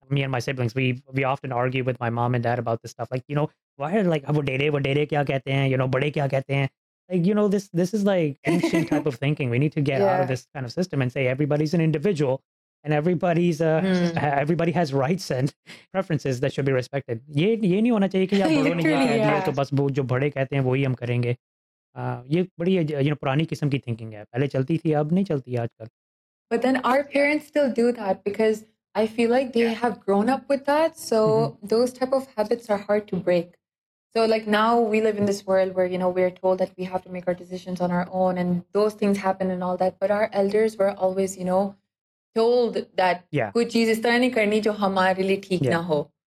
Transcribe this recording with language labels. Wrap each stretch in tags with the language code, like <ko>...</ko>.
<en>Me and my siblings, we often argue with my mom and dad about this stuff. Like, you know, why are, like,</en> <hi>wadere kya kehte hain,</hi> <en>you know,</en> <hi>bade kya kehte hain?</hi> <en>Like, you know, this is like ancient type of thinking. We need to get out of this kind of system and say everybody's an individual, and everybody's everybody has rights and preferences that should be respected.</en> <hi>Ye nahi hona chahiye ki ya bade nahi kehte hain, to bas jo bade kehte hain wohi hum karenge. ये बड़ी, you know, पुरानी किस्म की thinking है. पहले चलती थी, अब नहीं चलती आजकल.</hi> <en>But then our parents still do that, because I feel like they have grown up with that. So those type of habits are hard to break. So like now we live in this world where, you know, we are told that we have to make our decisions on our own, and those things happen and all that. But our elders were always, you know, told that</en> <hi>कुछ चीज़ इस तरह नहीं करनी जो हमारे लिए ठीक ना हो.</hi>